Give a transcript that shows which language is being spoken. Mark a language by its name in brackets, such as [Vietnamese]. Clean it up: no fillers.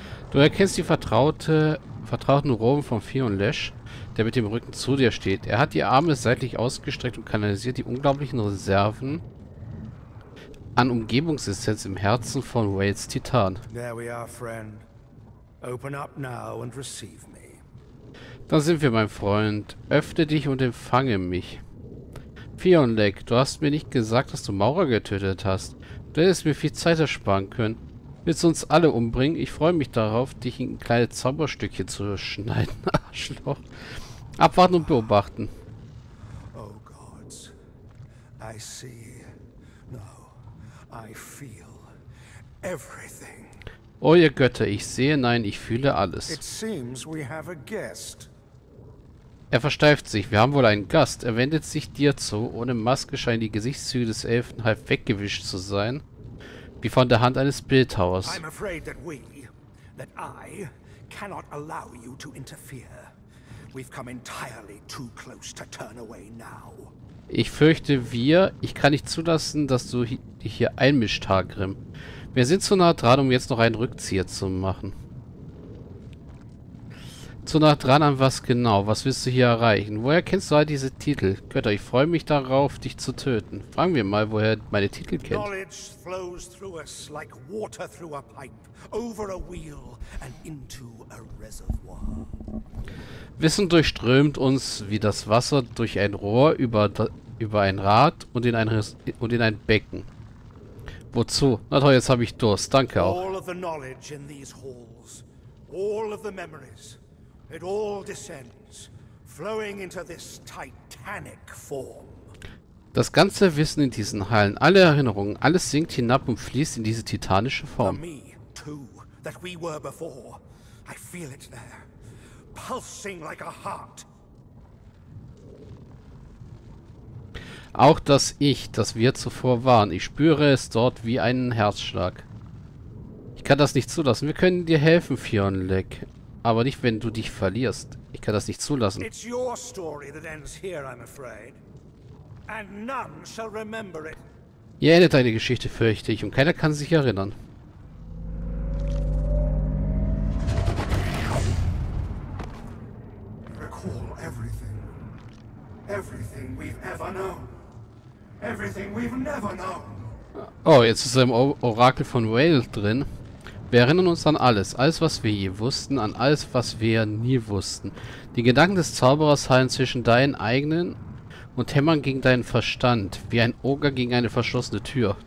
[German] Du erkennst die vertrauten Roben von Fion Lesch, der mit dem Rücken zu dir steht. Er hat die Arme seitlich ausgestreckt und kanalisiert die unglaublichen Reserven an Umgebungsessenz im Herzen von Whales Titan. [English] There we are, friend. Open up now and receive me. [German] Da sind wir, mein Freund. Öffne dich und empfange mich. Fion Lesch, du hast mir nicht gesagt, dass du Maurer getötet hast. Du hättest mir viel Zeit ersparen können. Willst du uns alle umbringen? Ich freue mich darauf, dich in kleine Zauberstückchen zu schneiden, Arschloch. Abwarten und beobachten. Oh Gott, ich sehe, nein, ich fühle alles. Oh ihr Götter, ich sehe, nein, ich fühle alles. [English] It seems we have a guest. [German] Er versteift sich, wir haben wohl einen Gast. Er wendet sich dir zu, ohne Maske scheinen die Gesichtszüge des Elfen halb weggewischt zu sein. Wie von der Hand eines Bildhauers. [English] I'm afraid that we, that I, cannot allow you to interfere. We've come entirely too close to turn away now. [German] Ich fürchte, ich kann nicht zulassen, dass du dich hier einmischst, Hagrim. Wir sind zu nah dran, um jetzt noch einen Rückzieher zu machen. Zu nah dran an was genau? Was willst du hier erreichen? Woher kennst du all diese Titel? Götter, ich freue mich darauf, dich zu töten. Fragen wir mal, woher meine Titel kennt. [English] Knowledge flows through us like water through a pipe, over a wheel and into a reservoir. [German] Wissen durchströmt uns wie das Wasser durch ein Rohr über ein Rad und in ein Becken. Wozu? Na toll, jetzt habe ich Durst. Danke auch. [English] All of the knowledge in these halls, all of the memories. It all descends, flowing into this titanic form. [German] Das ganze Wissen in diesen Hallen, alle Erinnerungen, alles sinkt hinab und fließt in diese titanische Form. [English] For me, too, that we were before. I feel it there, pulsing like a heart. [German] Auch das Ich, das wir zuvor waren, ich spüre es dort wie einen Herzschlag. Ich kann das nicht zulassen. Wir können dir helfen, Fion Lesch. Aber nicht, wenn du dich verlierst. Ich kann das nicht zulassen. [English] It's your story that ends here, I'm afraid. And none shall remember it. [German] Hier endet deine Geschichte, fürchte ich, und keiner kann sich erinnern. [English] Recall everything. Everything we've ever known. Everything we've never known. [German] Oh, jetzt ist er im Orakel von Whale drin. Wir erinnern uns an alles. Alles, was wir je wussten. An alles, was wir nie wussten. Die Gedanken des Zauberers heilen zwischen deinen eigenen und hämmern gegen deinen Verstand, wie ein Oger gegen eine verschlossene Tür.